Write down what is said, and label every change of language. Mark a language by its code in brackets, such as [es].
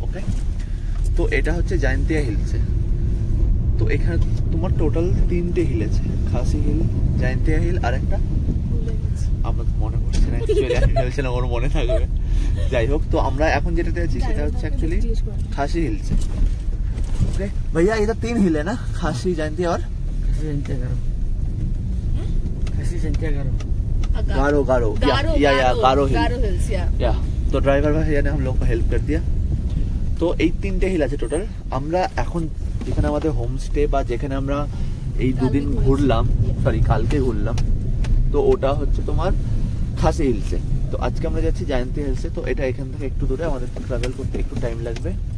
[bn] ওকে, তো এটা হচ্ছে জয়ন্তিয়া হিলসে। তো এখানে তোমার টোটাল তিনটে হিল আছে, খাসি হিল, জয়ন্তিয়া হিল আর একটা, আমরা তো মনে করছি না, হিলসে না মনে থাকবে। যাই হোক, তো আমরা এখন যেটাতে আছি সেটা হচ্ছে অ্যাকচুয়ালি খাসি হিলসে। ওকে ভাইয়া, এটা তিন হিল না, খাসি, জয়ন্তিয়া আর খাসি জয়ন্তিয়া গারো [hi] गारो गारो या या गारो हिल या। तो ड्राइवर भाई ने हम लोग को हेल्प कर दिया। [bn] तो এই তিনটে হিল আছে টোটাল। আমরা এখন যেখানে আমাদের হোম স্টে বা যেখানে আমরা এই দুদিন ঘুরলাম, সরি কালকে ঘুরলাম, তো ওটা হচ্ছে তোমার খাসি হিলসে। তো আজকে আমরা যাচ্ছি জয়ন্তী হিলসে। তো এটা এখান থেকে একটু দূরে, আমাদের ট্রাভেল করতে একটু টাইম লাগবে।